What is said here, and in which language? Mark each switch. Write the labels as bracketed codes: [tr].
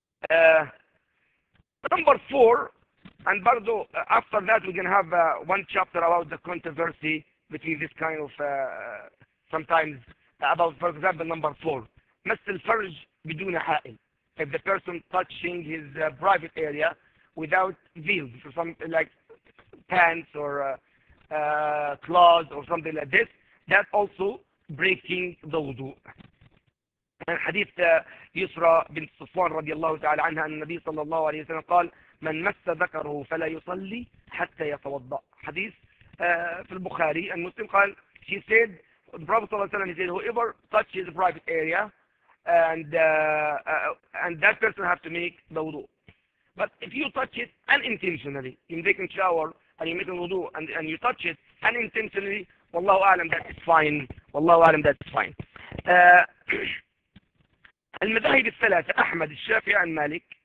[en] Number four, and Bardo, after that we can have one chapter about the controversy between this kind of, sometimes, about, for example, number four. [ar] مس الفرج بدون حائل. [en] If the person touching his private area without veil, for some, like pants or claws or something like this, that also breaking the wudu. [ar] حديث يسرى بنت صفوان رضي الله تعالى عنها أن النبي صلى الله عليه وسلم قال من مس ذكره فلا يصلي حتى يتوضأ. حديث في البخاري أن مسلم قال [en] she said the Prophet [ar] صلى الله عليه وسلم [en] said whoever touches a private area and that person have to make the wudu. But if you touch it unintentionally, you're taking shower and you're making wudu and you touch it unintentionally, [ar] والله أعلم [en] that is fine. [ar] والله أعلم [en] that is fine. [ar] المذاهب الثلاثة أحمد الشافعي عن مالك.